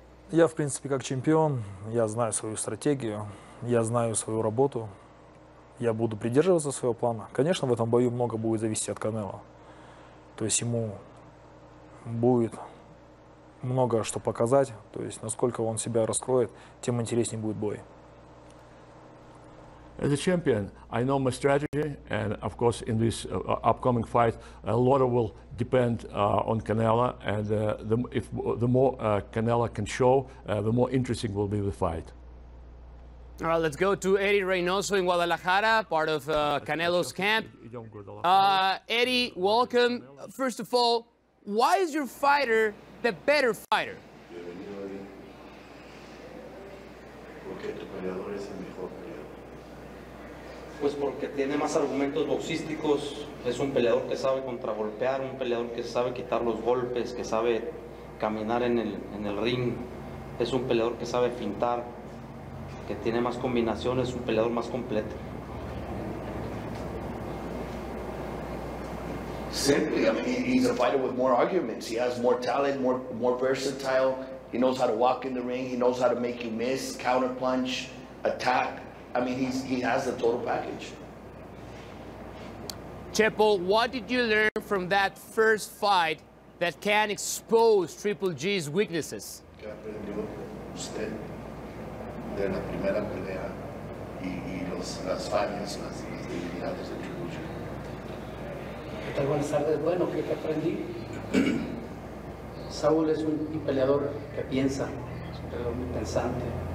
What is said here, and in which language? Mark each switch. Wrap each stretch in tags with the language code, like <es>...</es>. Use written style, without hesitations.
<ru>Я, в принципе, как чемпион, я знаю свою стратегию, я знаю свою работу, я буду придерживаться своего плана. Конечно, в этом бою много будет зависеть от Канело. То есть ему будет много что показать, то есть насколько он себя раскроет, тем интереснее будет бой.</ru> <en>As a champion, I know my strategy, and of course, in this upcoming fight, a lot of will depend on Canelo, and the more Canelo can show, the more interesting will be the fight. All right, let's go to Eddie Reynoso in Guadalajara, part of Canelo's camp. Eddie, welcome. First of all, why is your fighter the better fighter?</en> <es>Pues porque tiene más argumentos boxísticos, es un peleador que sabe contragolpear, un peleador que sabe quitar los golpes, que sabe caminar en el ring, es un peleador que sabe fintar, que tiene más combinaciones, un peleador más completo.</es> <en>Simply, I mean, he's a fighter with more arguments, he has more talent, more versatile, he knows how to walk in the ring, he knows how to make you miss, counter punch, attack. I mean, he has the total package. Chepo, what did you learn from that first fight that can expose Triple G's weaknesses?</en> <es>Que aprendió usted de la primera pelea y las fallas, las debilidades de Triple G. ¿Qué tal? Buenas tardes. Bueno, ¿qué aprendí? Saúl es un peleador que piensa, es un peleador muy pensante.</es>